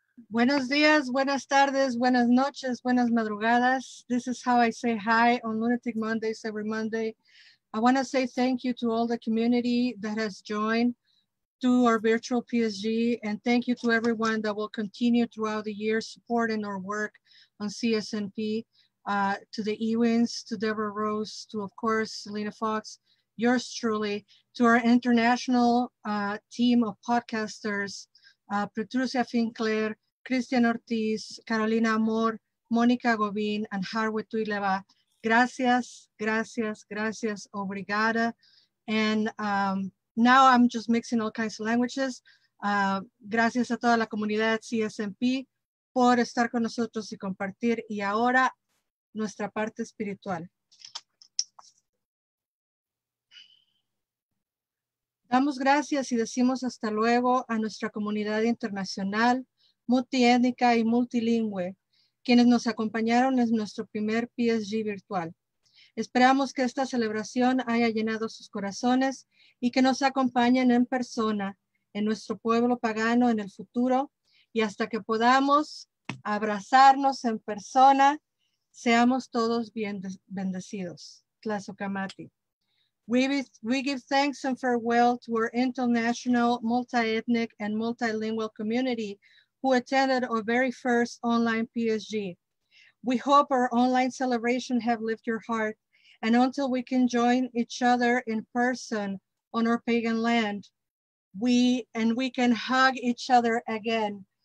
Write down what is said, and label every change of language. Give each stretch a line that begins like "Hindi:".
Spanish: Buenos dias, buenas tardes, buenas noches, buenas madrugadas.
English: This is how I say hi on Lunatic Mondays every Monday. I want to say thank you to all the community that has joined to our virtual PSG, and thank you to everyone that will continue throughout the year supporting our work on CSNP, to the Ewins, to Deborah Rose, to, of course, Selena Fox, yours truly, to our international team of podcasters, Petrusia Finkler, Christian Ortiz, Carolina Amor, Monica Govin, and Harwe Tuileva.
Spanish: Gracias, gracias, gracias,
Portuguese: obrigada.
English: And now I'm just mixing all kinds of languages.
Spanish: Gracias a toda la comunidad CSMP por estar con nosotros y compartir. Y ahora, nuestra parte espiritual. Damos gracias y decimos hasta luego a nuestra comunidad internacional, multiétnica y multilingüe, quienes nos acompañaron en nuestro primer PSG virtual. Esperamos que esta celebración haya llenado sus corazones y que nos acompañen en persona en nuestro pueblo pagano en el futuro. Y hasta que podamos abrazarnos en persona, seamos todos bien bendecidos.
Nahuatl languages: Tlazocamati.
English: We give thanks and farewell to our international, multi-ethnic, and multilingual community who attended our very first online PSG. We hope our online celebration have lifted your heart, and until we can join each other in person on our pagan land, we can hug each other again.